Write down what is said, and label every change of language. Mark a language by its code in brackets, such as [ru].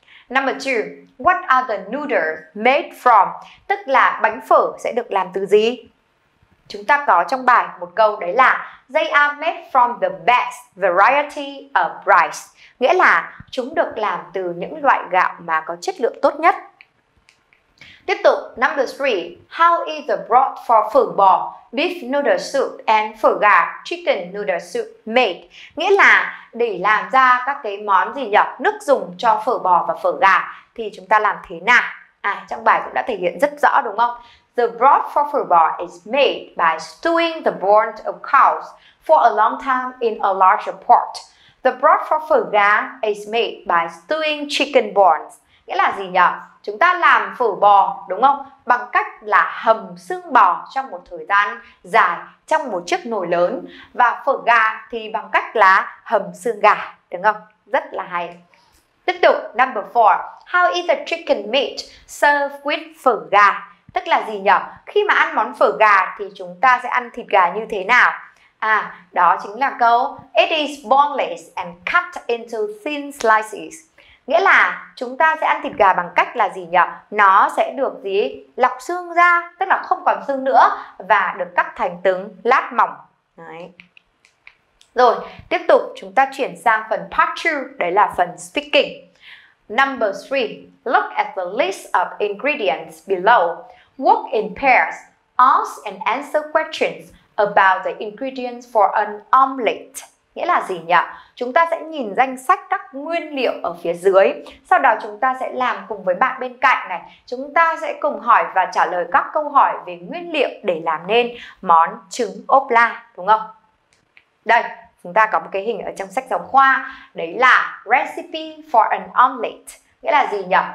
[en] Number 2, what are the noodles made from? [vi] Tức là bánh phở sẽ được làm từ gì? Chúng ta có trong bài một câu, đấy là [en] they are made from the best variety of rice. [vi] Nghĩa là chúng được làm từ những loại gạo mà có chất lượng tốt nhất. Tiếp tục, [en] number 3, how is the broth for phở bò, beef noodle soup and phở gà, chicken noodle soup made? [vi] Nghĩa là để làm ra các cái món gì nhỉ? Nước dùng cho phở bò và phở gà thì chúng ta làm thế nào? À, trong bài cũng đã thể hiện rất rõ, đúng không? [en] The broth for phở bò is made by stewing the bones of cows for a long time in a large pot. The broth for phở gà is made by stewing chicken bones. [vi] Nghĩa là gì nhỉ? Chúng ta làm phở bò, đúng không? Bằng cách là hầm xương bò trong một thời gian dài trong một chiếc nồi lớn. Và phở gà thì bằng cách là hầm xương gà, đúng không? Rất là hay. Tiếp tục, [en] number 4, how is the chicken meat served with phở gà? [vi] Tức là gì nhỉ? Khi mà ăn món phở gà thì chúng ta sẽ ăn thịt gà như thế nào? À, đó chính là câu [en] it is boneless and cut into thin slices. [vi] Nghĩa là chúng ta sẽ ăn thịt gà bằng cách là gì nhỉ? Nó sẽ được gì? Lọc xương ra, tức là không còn xương nữa, và được cắt thành từng lát mỏng. Đấy. Rồi, tiếp tục chúng ta chuyển sang phần part 2, đấy là phần speaking. [en] Number 3, look at the list of ingredients below. Work in pairs, ask and answer questions about the ingredients for an omelette. [vi] Nghĩa là gì nhỉ? Chúng ta sẽ nhìn danh sách các nguyên liệu ở phía dưới, sau đó chúng ta sẽ làm cùng với bạn bên cạnh này. Chúng ta sẽ cùng hỏi và trả lời các câu hỏi về nguyên liệu để làm nên món trứng ốp la, đúng không? Đây, chúng ta có một cái hình ở trong sách giáo khoa, đấy là [en] recipe for an omelette. [vi] Nghĩa là gì nhỉ?